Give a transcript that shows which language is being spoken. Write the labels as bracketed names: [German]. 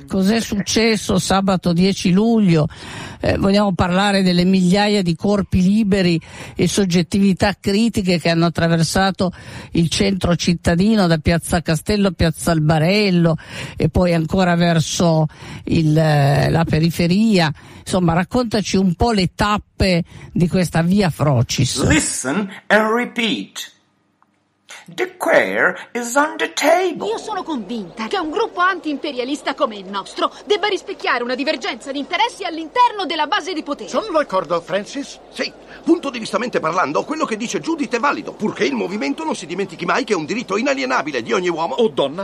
[Italian] Cos'è successo sabato 10 luglio? Vogliamo parlare delle migliaia di corpi liberi e soggettività critiche che hanno attraversato il centro cittadino da Piazza Castello a Piazza Albarello e poi ancora verso la periferia. Insomma, raccontaci un po' le tappe di questa Via Frocis. [English] Listen and repeat. The queer is on the table. [Italian] Io sono convinta che un gruppo antiimperialista come il nostro debba rispecchiare una divergenza di interessi all'interno della base di potere. Sono d'accordo, Francis? Sì, punto di vistamente parlando, quello che dice Judith è valido, purché il movimento non si dimentichi mai che è un diritto inalienabile di ogni uomo o donna.